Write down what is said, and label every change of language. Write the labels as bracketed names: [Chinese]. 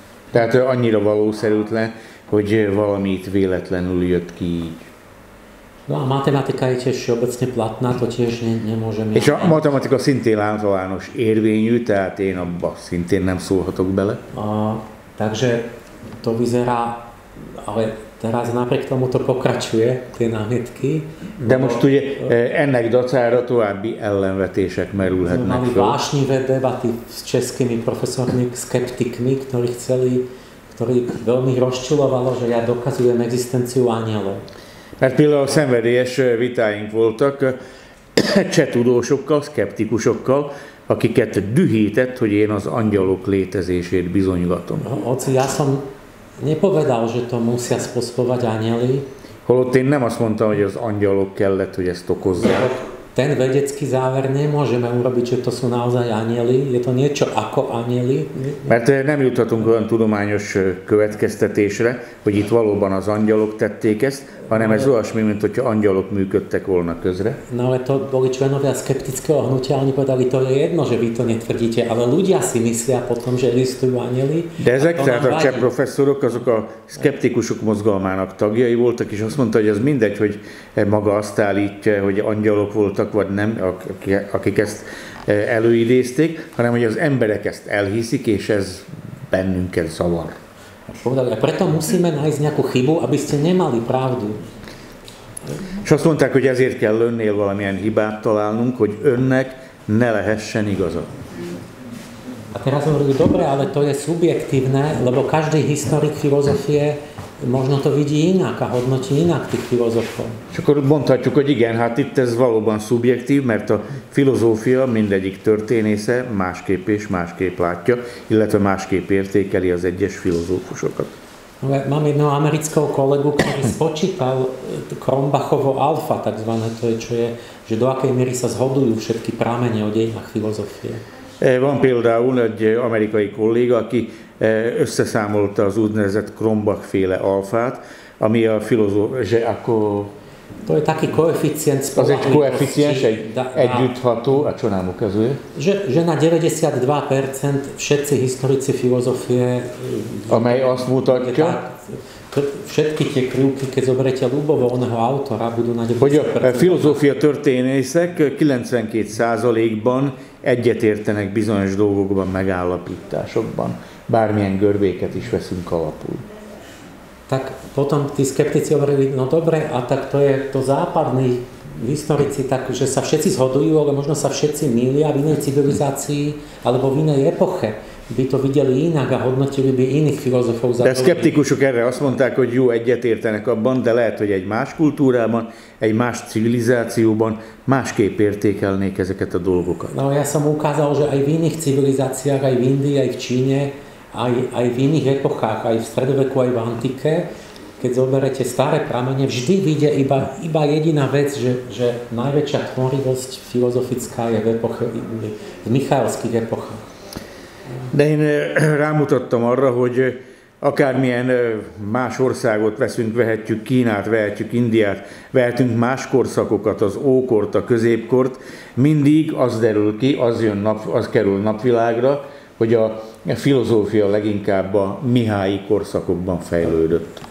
[Hungarian] Tehát annyira valószerűtlen, hogy valami itt véletlenül jött ki így. [Slovak] No, a matematika je tiež obecne platná, to tiež nemôžem... [Hungarian] És a matematika szintén általános érvényű, tehát én abba szintén nem szólhatok bele. [Slovak] Takže to vyzerá, ale... Teraz napriek tomu to pokračuje, tie námietky. [Hungarian] De most ugye ennek dacára további ellenvetések merülhetnek fel. [Slovak] Mali vášnivé debaty s českými profesormi skeptikmi, ktorí chceli, ktorí veľmi rozčulovalo, že ja dokazujem existenciu anielov. [Hungarian] Mert például szenvedélyes vitáink voltak cseh tudósokkal, skeptikusokkal, akiket dühített, hogy én az angyalok létezését bizonygatom. [Slovak] Hoci, ja som... Nepovedal, že to musia spôsobovať anjeli. [Hungarian] Holott én nem azt mondtam, hogy az angyalok kellett, hogy ezt okozzák. [Slovak] Ten vedecký záver nemôžeme urobiť, že to sú naozaj anjeli. Je to niečo ako anjeli. [Hungarian] Mert nem juthatunk olyan tudományos következtetésre, hogy itt valóban az angyalok tették ezt, hanem ez olyasmi, mint hogyha angyalok működtek volna közre. [Slovak] No, ale to boli členovia skeptického hnutia, oni povedali, to je jedno, že vy to netvrdíte, ale ľudia si myslia potom, že existujú anjeli. [Hungarian] De ezek, tehát a cseh professzorok, azok a skeptikusok mozgalmának tagjai voltak, és azt mondta, hogy ez mindegy, hogy maga azt állítja, hogy angyalok voltak, vagy nem, akik ezt előidézték, hanem hogy az emberek ezt elhiszik, és ez bennünket zavar. [Slovak] Povedali, a preto musíme nájsť nejakú chybu, aby ste nemali pravdu. [Hungarian] És azt mondták, hogy ezért kell önnél valamilyen hibát találnunk, hogy önnek ne lehessen igaza. [Slovak] A teraz hovorili, dobre, ale to je subjektívne, lebo každý historik filozofie možno to vidí inak a hodnotí inak tých filozofov. [Hungarian] És akkor mondhatjuk, hogy igen, hát itt ez valóban szubjektív, mert a filozófia mindegyik történésze másképp és másképp látja, illetve másképp értékeli az egyes filozófusokat. [Slovak] Mám jedného amerického kolegu, ktorý spočítal Krombachovo alfa, takzvané to je, čo je, že do akej miery sa zhodujú všetky prámene o dejinách filozofie. [Hungarian] Van például egy amerikai kolléga, aki összeszámolta az úgynevezett Krombach-féle alfát, ami a filozófia, akkor... [Slovak] To je taký koeficient spolahlivosti. [Hungarian] Az egy koeficient, egy együttható, [Slovak] a csonám ukazuje. Že na 92% všetci historici filozofie... [Hungarian] Amely azt mutatja... [Slovak] Všetky tie krivky, keď zoberete ľubovoľného autora, budú na 92%. [Hungarian] Hogy a filozófia történészek 92%-ban egyetértenek bizonyos dolgokban, megállapításokban. Bármilyen görbéket is veszünk alapul. [Slovak] Tak potom tí skeptici hovorili, no dobre, a tak to je to západný v historici, tak, že sa všetci zhodujú, ale možno sa všetci mýlia v inej civilizácii alebo v inej epoche. By to videli inak a hodnotili by iných filozofov za [Hungarian] to. De skeptikusok erre azt mondták, hogy jó, egyetértenek abban, de lehet, hogy egy más kultúrában, egy más civilizációban másképp értékelnék ezeket a dolgokat. [Slovak] No, ja som ukázal, že aj v iných civilizáciách, aj v Indii, aj v Číne, aj v iných epochách, aj v stredoveku, aj v antike, keď zoberete staré pramene, vždy vyjde iba jediná vec, že najväčšia tvorivosť filozofická je v epoche, v michaelských epochách. [Hungarian] De én rámutattam arra, hogy akármilyen más országot veszünk, vehetjük Kínát, vehetjük Indiát, vehetünk más korszakokat, az ókort, a középkort, mindig az derül ki, az kerül napvilágra, hogy a filozófia leginkább a Mihályi korszakokban fejlődött.